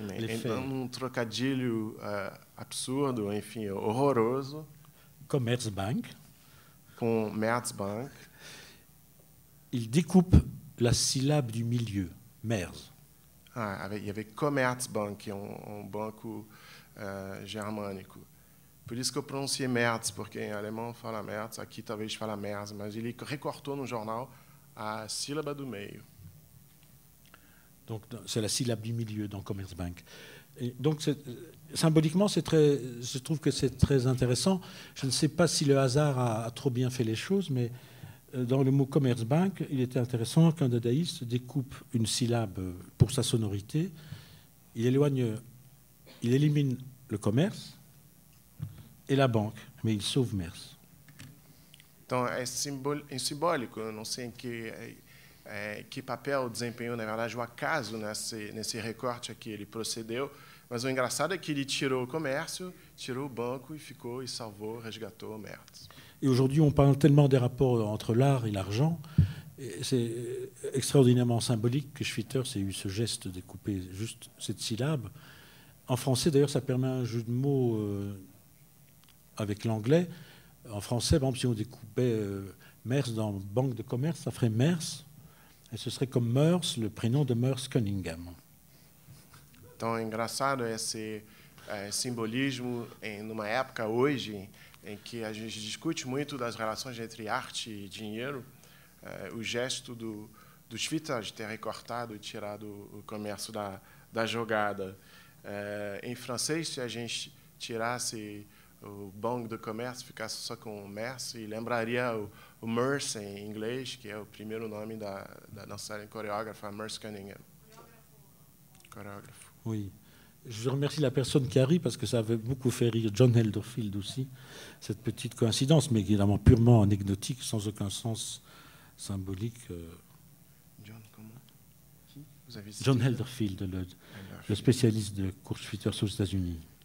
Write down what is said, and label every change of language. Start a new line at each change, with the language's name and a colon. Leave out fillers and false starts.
Portuguese: Então, um trocadilho absurdo, enfim, horroroso. Commerzbank. Com Meyersbank.
French: Il découpe la syllabe du milieu, Meyers. Ah, il y avait Commerzbank,
Portuguese: que é um banco germânico. Por isso que eu pronunciei Meyers, porque em alemão fala Meyers, aqui talvez fala Meyers, mas ele recortou no jornal a sílaba do meio.
French: Donc, c'est la syllabe du milieu dans Commerzbank. Donc, symboliquement, je trouve que c'est très intéressant. Je ne sais pas si le hasard a trop bien fait les choses, mais dans le mot Commerzbank, il était intéressant qu'un dadaïste découpe une syllabe pour sa sonorité. Il éloigne, il élimine le commerce et la banque, mais il sauve Merz. Donc, c'est symbolique. Je ne sais pas quel
Portuguese: papel il desempenhou, na verdade, o acaso nesse recorte aqui, ele procedeu. Mas o engraçado é que ele tirou o comércio, tirou o banco e ficou e salvou, resgatou o Merz.
French: Et aujourd'hui, on parle tellement des rapports entre l'art et l'argent. Et c'est extraordinairement symbolique que Schwitter ait eu ce geste de couper juste cette syllabe. En français, d'ailleurs, ça permet un jeu de mots avec l'anglais. En français, bon, si on découpait Merz dans banque de commerce, ça ferait Merz. Et ce serait comme Merz, le prénom de Merz Cunningham.
Portuguese: Então, engraçado esse simbolismo numa época hoje em que a gente discute muito das relações entre arte e dinheiro, o gesto do Schwitter de ter recortado e tirado o comércio da jogada. Em francês, se a gente tirasse o banco do comércio, ficasse só com o Merz, e lembraria o Merz em inglês, que é o primeiro nome da nossa coreógrafa, Merz Cunningham. Coreógrafo.
French: Oui. Je remercie la personne qui a ri parce que ça avait beaucoup fait rire John Elderfield aussi, cette petite coïncidence, mais évidemment purement anecdotique, sans aucun sens symbolique. John, comment ? Qui ? Vous avez cité John Elderfield, le spécialiste de course Schwitter aux États-Unis.